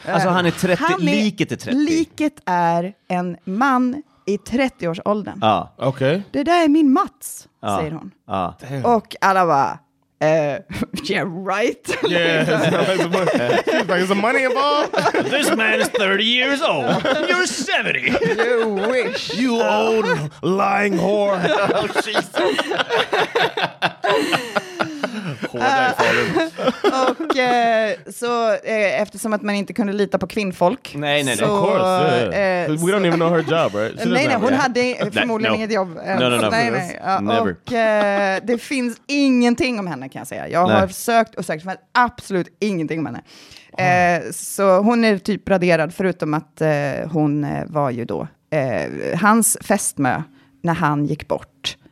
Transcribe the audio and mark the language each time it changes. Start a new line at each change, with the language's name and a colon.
Swedish: Alltså han är 30, han är, liket är 30. Liket är en man i 30-årsåldern. Ja, ah, okej.
English: Okay.
Swedish: Det där är min Mats, säger hon. Ja. Ah. Och alla bara,
English: yeah, right. Yeah, like, is the money involved? This man is 30 years old. You're 70. You wish. You old lying whore. Oh, Jesus.
Swedish: Och så eftersom att man inte kunde lita på kvinnfolk. Nej, så,
English: of course, yeah. We don't even know her job, right?
Swedish: Nej, hon hade förmodligen inget jobb.
English: No.
Swedish: Och det finns ingenting om henne, kan jag säga. Jag har sökt och sökt, men absolut ingenting om henne. Så hon är typ raderad, förutom att hon var ju då hans fästmö när han gick bort.